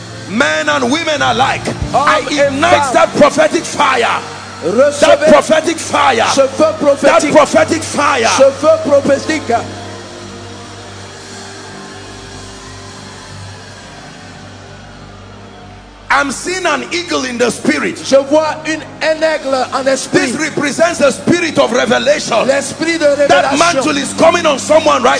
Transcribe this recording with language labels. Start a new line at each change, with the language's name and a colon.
English: Men and women alike, I ignite that prophetic fire. That prophetic fire.
French: Ce feu prophétique.
English: That prophetic fire.
French: Ce feu prophétique.
English: I'm seeing an eagle in the spirit.
French: Je vois un aigle en esprit.
English: This represents the spirit of revelation.
French: L'esprit de révélation.
English: That mantle is coming on someone right